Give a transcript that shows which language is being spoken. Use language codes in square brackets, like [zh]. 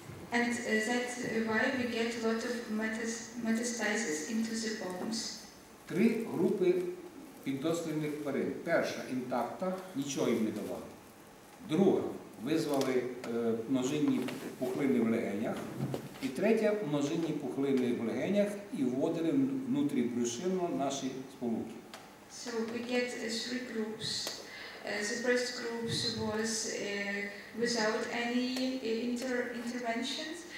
[en] And that's why we get a lot of metastasis into the bones. [uk] Три групи піддослідних тварин. Перша – інтакта, нічого їм не давали. Друга – визвали множинні пухлини в легенях. І третє – множинні пухлини в легенях і вводили внутрібрюшинно наші сполуки. [en] So we get three groups. The first group was without any interventions.